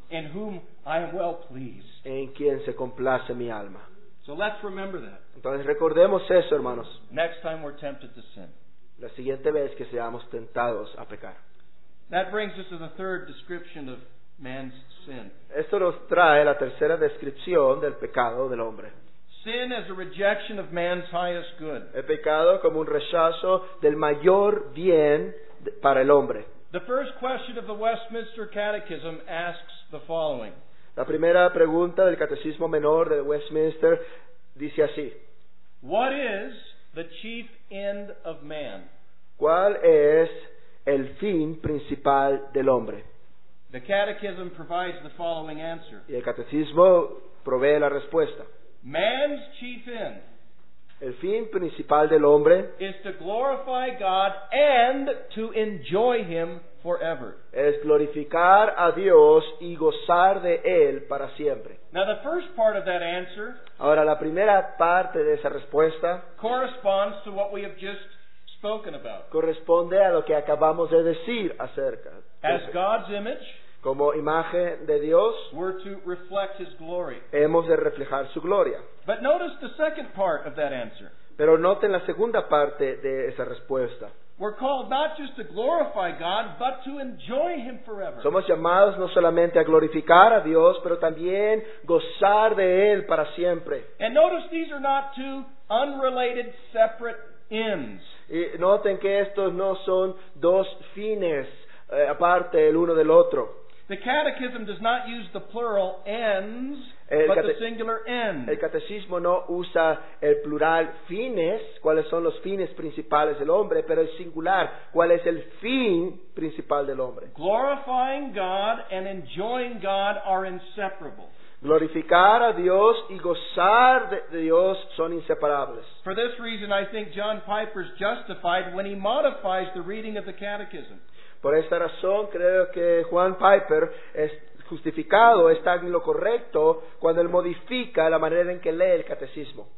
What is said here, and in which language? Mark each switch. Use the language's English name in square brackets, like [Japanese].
[English] in whom I am well pleased, [Spanish] en quien se complace mi alma. [English] So let's remember that. [Spanish] Entonces recordemos eso, hermanos. [English] Next time we're tempted to sin, [Spanish] la siguiente vez que seamos tentados a pecar. [English] That brings us to the third description of man's sin. [Spanish] Esto nos trae la tercera descripción del pecado del hombre. [English] Sin as a rejection of man's highest good. [Spanish] El pecado como un rechazo del mayor bien para el hombre. [English] The first question of the Westminster Catechism asks the following. [Spanish] La primera pregunta del Catecismo Menor de Westminster dice así. [English] What is the chief end of man? [Spanish] ¿Cuál es el fin principal del hombre? [English] The Catechism provides the following answer. [Spanish] Y el Catecismo provee la respuesta. [English] Man's chief end, [Spanish] el fin principal del hombre, [English] is to glorify God and to enjoy Him forever. [Spanish] Es glorificar a Dios y gozar de Él para siempre. [English] Now the first part of that answer, [Spanish] ahora la primera parte de esa respuesta, [English] corresponds to what we have just spoken about. [Spanish] Corresponde a lo que acabamos de decir acerca. [English] As God's image, [Spanish] como imagen de Dios, [English] we're to reflect His glory. [Spanish] Hemos de reflejar su gloria. [English] But notice the second part of that answer. [Spanish] Pero noten la segunda parte de esa respuesta. [English] We're called not just to glorify God, but to enjoy Him forever. [Spanish] Somos llamados no solamente a glorificar a Dios, pero también gozar de Él para siempre. [English] And notice these are not two unrelated, separate ends. [Spanish] Y noten que estos no son dos fines aparte el uno del otro. [English] The catechism does not use the plural ends, but the singular end. [Spanish] El catecismo no usa el plural fines, cuáles son los fines principales del hombre, pero el singular, cuál es el fin principal del hombre. [English] Glorifying God and enjoying God are inseparable. [Spanish] Glorificar a Dios y gozar de Dios son inseparables. [English] For this reason, I think John Piper is justified when he modifies the reading of the catechism. [Spanish] Por esta razón, creo que Juan Piper es justificado, está en lo correcto, cuando él modifica la manera en que lee el catecismo.